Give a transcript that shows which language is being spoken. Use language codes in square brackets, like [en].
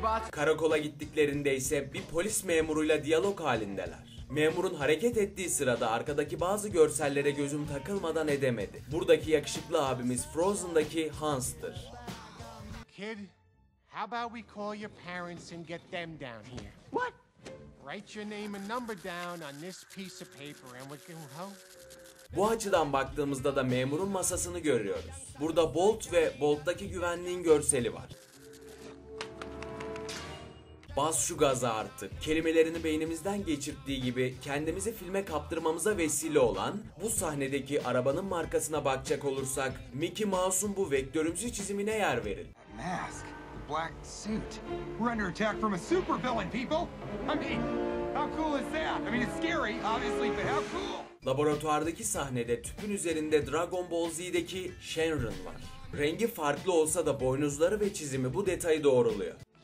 [tr] Karakola gittiklerinde ise bir polis memuruyla diyalog halindeler. Memurun hareket ettiği sırada arkadaki bazı görsellere gözüm takılmadan edemedi. Buradaki yakışıklı abimiz Frozen'daki Hans'tır. [en] Kid, how about we call your parents and get them down here? What? Write your name and number down on this piece of paper and we can help. [tr] Bu açıdan baktığımızda da memurun masasını görüyoruz. Burada Bolt ve Bolt'taki güvenliğin görseli var. Bas şu gaza artık. Kelimelerini beynimizden geçirttiği gibi kendimizi filme kaptırmamıza vesile olan bu sahnedeki arabanın markasına bakacak olursak Mickey Mouse'un bu vektörümsü çizimine yer verin. [en] Mask, black suit. We're under attack from a super villain, people. I mean, how cool is that? I mean, it's scary, obviously, but how cool? [tr] Laboratuvardaki sahnede tüpün üzerinde Dragon Ball Z'deki Shenron var. Rengi farklı olsa da boynuzları ve çizimi bu detayı doğruluyor.